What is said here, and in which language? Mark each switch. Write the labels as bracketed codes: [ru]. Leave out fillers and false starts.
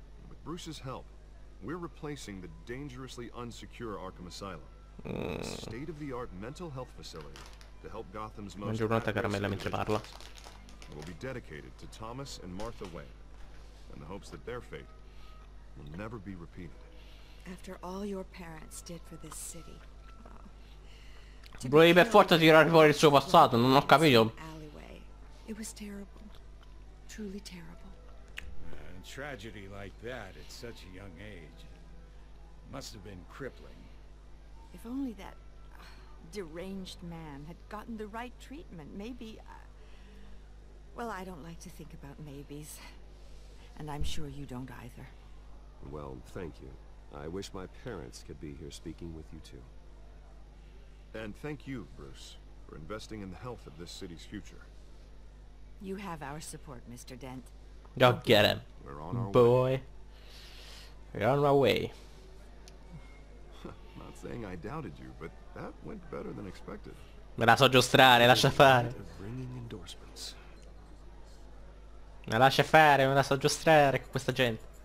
[en] With Bruce's help, we're replacing the dangerously unsecure Arkham Asylum, a state-of-the-art mental health facility to help Gotham's most [it] caramella mentre parla. [en] We'll be dedicated to Thomas and Martha Wayne, in the hopes that their fate will never be repeated. After all your parents did for this city, [it] bro, è forte tirare fuori il suo passato. Non ho capito. [en] It was terrible, truly terrible. Tragedy like that at such a young age must have been crippling. If only that deranged man had gotten the right treatment, maybe. Well, I don't like to think about maybes, and I'm sure you don't either. Well, thank you. I wish my parents could be here speaking with you too. And thank you, Bruce, for investing in the health of this city's future. You have our support, Mr. Dent. Go get him, boy. We're on our way. Not saying I doubted you, but that went better than expected. [it] Me la so giostrare, lascia fare. [en] Bringing endorsements. [it] Me lascia fare, me la so giostrare con questa gente.